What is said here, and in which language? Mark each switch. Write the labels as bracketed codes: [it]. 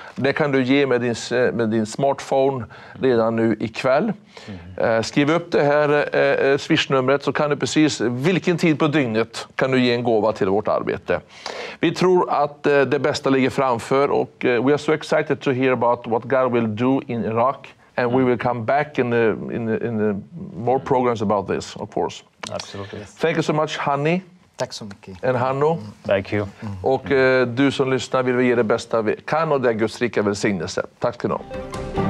[sv] Det kan du ge med din smartphone redan nu ikväll. Skriv upp det här swishnumret så kan du precis vilken tid på dygnet kan du ge en gåva till vårt arbete. Vi tror att det bästa ligger framför och [en] we are so excited to hear about what God will do in Iraq. And we will come back in the more programs about this, of course. Absolutely. Thank you so much, Hanni. [sv] Tack så mycket. [en] And Hanno. Thank you. [sv] Och du som lyssnar vill vi ge det bästa vi kan och det är Guds rika välsignelse. Tack till dem.